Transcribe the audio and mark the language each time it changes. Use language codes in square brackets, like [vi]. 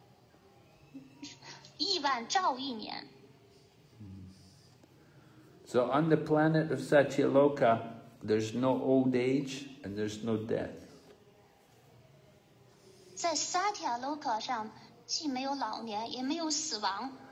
[zh] 在萨提亚洛克人的寿命呢，是非常非常的漫长的，亿万兆亿年。 [en] So on the planet of Satyaloka, there's no old age and there's no death. [zh] 在萨提亚洛克上，既没有老年，也没有死亡。